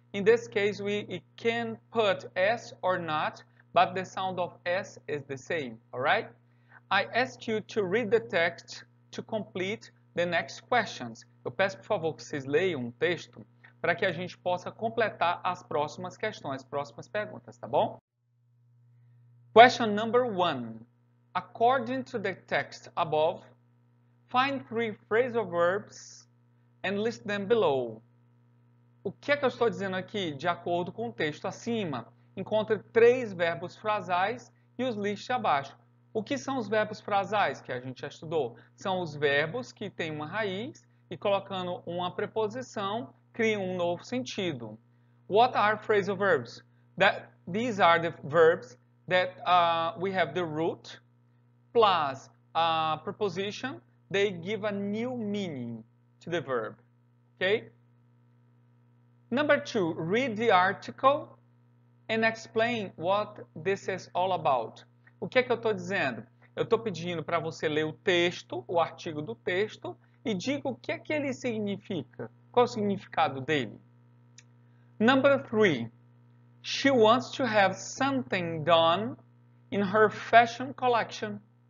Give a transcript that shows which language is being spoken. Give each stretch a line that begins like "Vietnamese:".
English: In this case, we can put S or not, but the sound of S is the same, alright? I ask you to read the text to complete the next questions.
Portuguese: Eu peço, por favor, que vocês leiam um texto para que a gente possa completar as próximas questões, as próximas perguntas, tá bom?
English: Question number one. According to the text above, find three phrasal verbs and list them below.
Portuguese: O que é que eu estou dizendo aqui? De acordo com o texto acima, encontre três verbos frasais e os liste abaixo. O que são os verbos frasais que a gente já estudou? São os verbos que têm uma raiz e colocando uma preposição criam um novo sentido.
English: What are phrasal verbs? These are the verbs that we have the root plus a preposition. They give a new meaning to the verb. Okay? Number two, read the article and explain what this is all about.
Portuguese: O que é que eu estou dizendo? Eu estou pedindo para você ler o texto, o artigo do texto, e diga o que é que ele significa, qual o significado dele.
English: Number three. She wants to have something done in her fashion collection.